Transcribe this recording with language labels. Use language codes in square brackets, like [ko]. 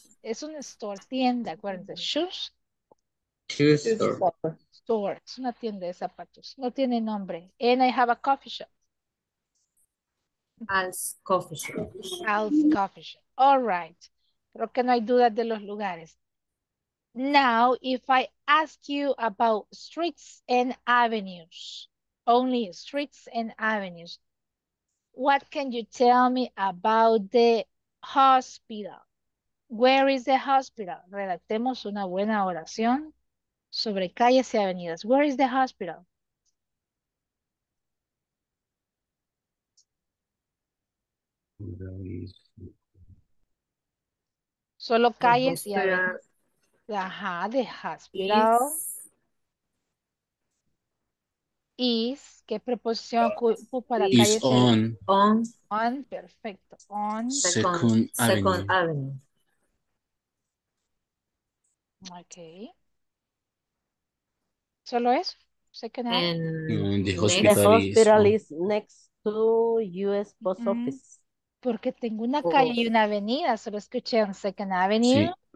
[es] Es un store, tienda, acuérdense. Shoes? [en] Shoes store. [es] store. Es una tienda de zapatos. No tiene nombre. [en] And I have a coffee shop. Al's coffee shop. Al's coffee shop. All right. [es] Creo que no hay duda de los lugares. [en] Now, if I ask you about streets and avenues, only streets and avenues, what can you tell me about the hospital? Where is the hospital? [es] Redactemos una buena oración sobre calles y avenidas. [en] Where is the hospital? [es] Solo calles y avenidas. Ajá, [en] the hospital. [es] Is, ¿qué preposición ocupo para calles? [en] Is on. On. On, perfecto. On. Second avenue. Okay. [es] ¿Solo eso? Second avenue. [en] And the hospital is next to US post office. [es] Porque tengo una calle y una avenida, solo escuché en Second Avenue.